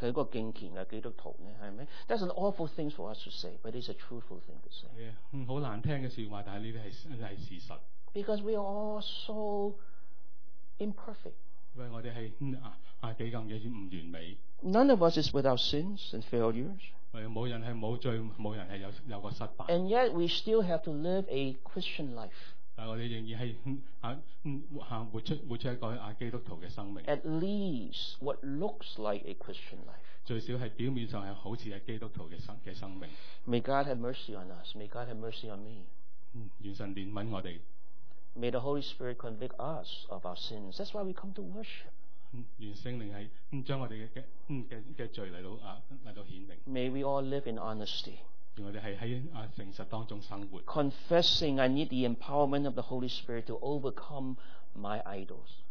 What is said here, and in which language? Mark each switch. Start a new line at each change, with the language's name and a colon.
English: That's an awful thing for us to say, but it's a truthful thing to say.
Chinese: 很难听的说话, 但这些是事实。
English: Because we are all so imperfect.
Chinese: 因为我们是多么的不完美。
English: None of us is without sins and failures.
Chinese: 没有人是没有罪, 没有人是有个失败。
English: And yet we still have to live a Christian life.
Chinese: 但我们仍然是活出一个基督徒的生命。
English: At least what looks like a Christian life.
Chinese: 最少是表面上是好像是基督徒的生命。
English: May God have mercy on us. May God have mercy on me.
Chinese: 愿神怜悯我们。
English: May the Holy Spirit convict us of our sins. That's why we come to worship. May we all live in honesty. Confessing, I need the empowerment of the Holy Spirit to overcome my idols.